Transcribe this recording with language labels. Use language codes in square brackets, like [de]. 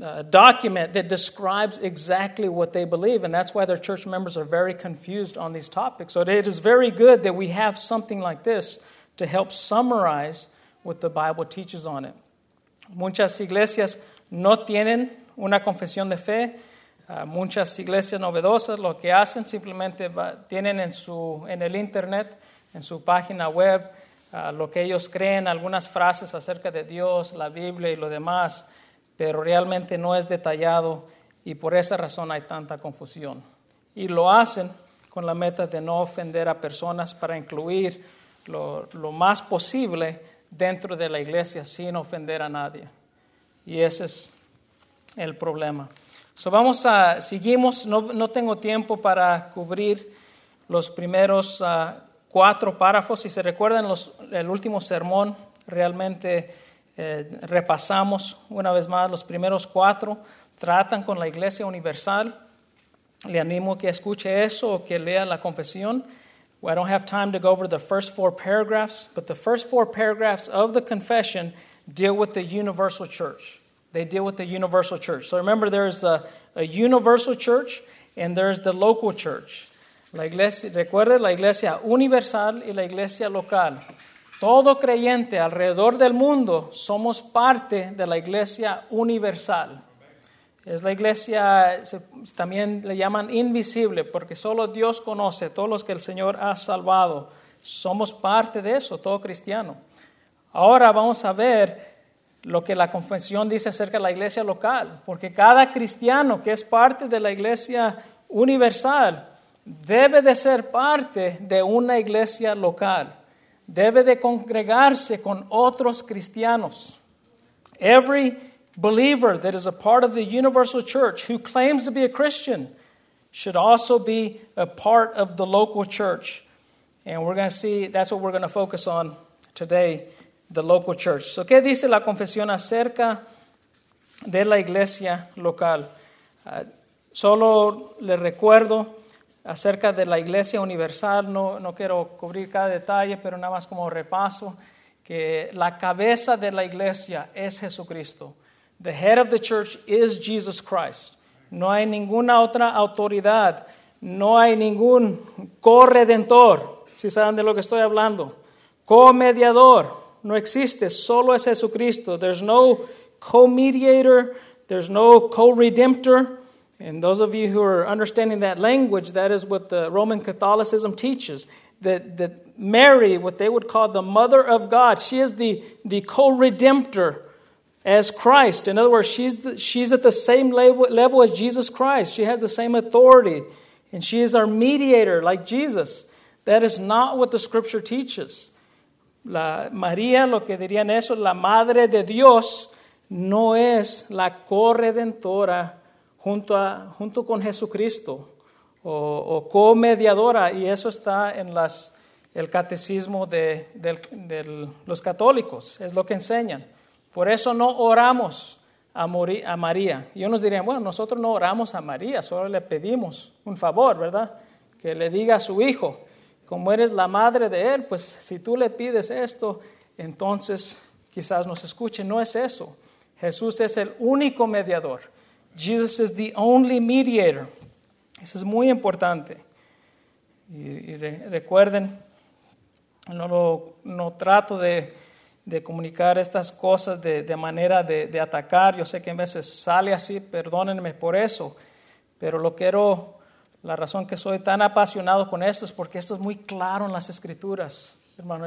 [en] document that describes exactly what they believe, and that's why their church members are very confused on these topics. So it is very good that we have something like this to help summarize what the Bible teaches on it. [es] Muchas iglesias no tienen una confesión de fe. Muchas iglesias novedosas lo que hacen simplemente tienen en el internet, en su página web, lo que ellos creen, algunas frases acerca de Dios, la Biblia y lo demás, pero realmente no es detallado y por esa razón hay tanta confusión. Y lo hacen con la meta de no ofender a personas para incluir lo más posible dentro de la iglesia sin ofender a nadie. Y ese es el problema. So vamos a, seguimos, no tengo tiempo para cubrir los primeros cuatro párrafos. Si se recuerdan, el último sermón realmente repasamos una vez más los primeros cuatro, tratan con la iglesia universal. Le animo que escuche eso o que lea la confesión. [en] Well, I don't have time to go over the first four paragraphs, but the first four paragraphs of the confession deal with the universal church. They deal with the universal church. So remember, there's a universal church and there's the local church. [es] La iglesia, recuerde, la iglesia universal y la iglesia local. Todo creyente alrededor del mundo somos parte de la iglesia universal. Es la iglesia, también le llaman invisible, porque solo Dios conoce todos los que el Señor ha salvado. Somos parte de eso, todo cristiano. Ahora vamos a ver lo que la confesión dice acerca de la iglesia local, porque cada cristiano que es parte de la iglesia universal debe de ser parte de una iglesia local. Debe de congregarse con otros cristianos. [en] Every believer that is a part of the universal church who claims to be a Christian should also be a part of the local church. And we're going to see, that's what we're going to focus on today, the local church. [es] So, ¿qué dice la confesión acerca de la iglesia local? Solo le recuerdo acerca de la iglesia universal, no quiero cubrir cada detalle, pero nada más como repaso, que la cabeza de la iglesia es Jesucristo. [en] The head of the church is Jesus Christ. [es] No hay ninguna otra autoridad, no hay ningún corredentor, si saben de lo que estoy hablando, comediador, no existe, solo es Jesucristo. [en] There's no co-mediator, there's no co-redemptor. And those of you who are understanding that language, that is what the Roman Catholicism teaches. That Mary, what they would call the mother of God, she is the co-redemptor as Christ. In other words, she's at the same level as Jesus Christ. She has the same authority. And she is our mediator, like Jesus. That is not what the scripture teaches. [es] La María, lo que dirían eso, la madre de Dios, no es la co-redentora junto con Jesucristo, o co-mediadora, y eso está en el catecismo de los católicos, es lo que enseñan. Por eso no oramos a María. Y unos dirían, bueno, nosotros no oramos a María, solo le pedimos un favor, ¿verdad? Que le diga a su hijo, como eres la madre de él, pues si tú le pides esto, entonces quizás nos escuche. No es eso. Jesús es el único mediador. [en] Jesus is the only mediator. [es] Eso es muy importante. Y recuerden, no trato de comunicar estas cosas de manera de atacar. Yo sé que a veces sale así, perdónenme por eso. Pero la razón que soy tan apasionado con esto es porque esto es muy claro en las Escrituras, hermano.